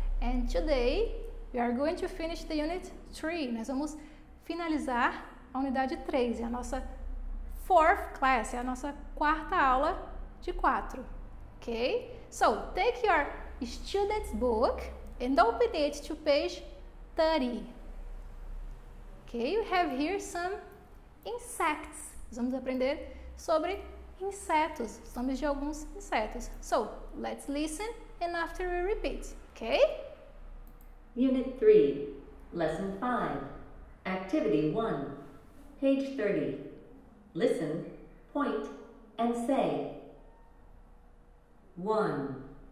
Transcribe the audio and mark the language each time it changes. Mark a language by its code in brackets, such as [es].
[en] And today we are going to finish the unit 3. [pt] Nós vamos finalizar a unidade 3, a nossa [en] fourth class, [pt] a nossa quarta aula de 4. [en] Okay? So take your student's book and open it to page 30. Okay, we have here some insects. [pt] Nós vamos aprender sobre insetos, somos de alguns insetos. [en] So, let's listen and after we repeat, okay? Unit 3, Lesson 5, Activity 1, page 30. Listen, point, and say. 1.